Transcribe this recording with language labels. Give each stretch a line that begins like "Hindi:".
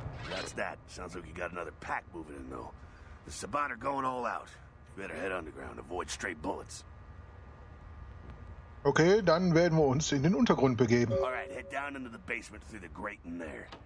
English: That's that. Sounds like you got another pack moving in though. The Sabbat are going all out. Better head underground, avoid straight bullets.
German: Okay, dann werden wir uns in den Untergrund begeben.
English: Alright, head down into the basement through the grate in there.